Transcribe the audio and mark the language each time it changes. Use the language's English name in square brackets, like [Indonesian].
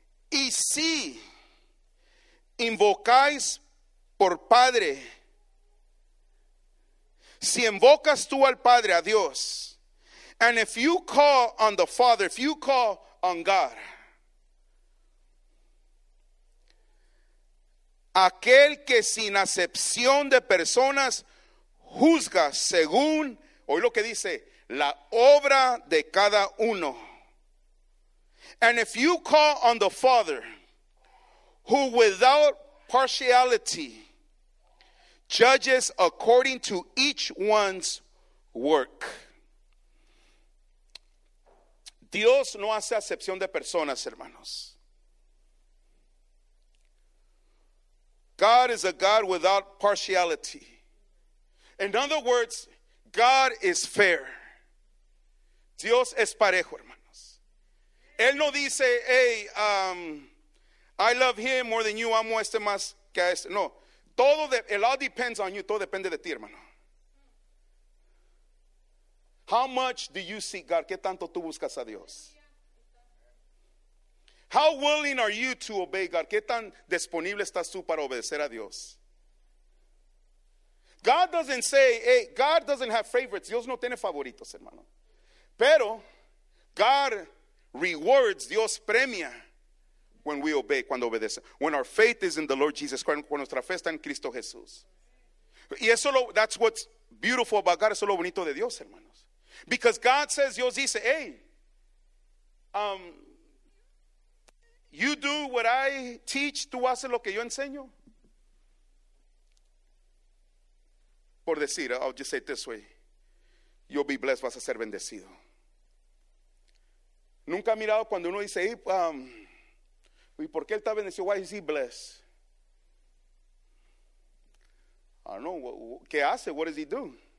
[Spanish] Y si invocáis por Padre, si invocas tú al Padre, a Dios, [English] and if you call on the Father, if you call on God, [Spanish] aquel que sin acepción de personas juzga según, oí lo que dice, la obra de cada uno. [English] And if you call on the Father, who without partiality judges according to each one's work. [Spanish] Dios no hace acepción de personas, hermanos. [English] God is a God without partiality. In other words, God is fair. [Spanish] Dios es parejo, hermanos. Él no dice, [English] hey, I love him more than you, [Spanish] amo a este más que a este. No, todo, [English] it all depends on you, [Spanish] todo depende de ti, hermano. [English] How much do you seek God? [Spanish] ¿Qué tanto tú buscas a Dios? [English] How willing are you to obey God? [Spanish] ¿Qué tan disponible estás tú para obedecer a Dios? [English] God doesn't say, hey, God doesn't have favorites. [Spanish] Dios no tiene favoritos, hermano. Pero [English] God rewards, [Spanish] Dios premia [English] when we obey, [Spanish] cuando obedece. [English] When our faith is in the Lord Jesus Christ, [Spanish] cuando nuestra fe está en Cristo Jesús. Y eso, [English] that's what's beautiful about God, [Spanish] eso es lo bonito de Dios, hermanos. [English] Because God says, [Spanish] Dios dice, [English] hey, you do what I teach, [Spanish] tú haces lo que yo enseño. Por decir, [English] I'll just say it this way. You'll be blessed, [Spanish] vas a ser bendecido. Nunca he mirado cuando uno dice, ¿y por qué él está bendecido? [English] Why is he blessed? I don't know, [Spanish] ¿qué hace? [English] What does he do?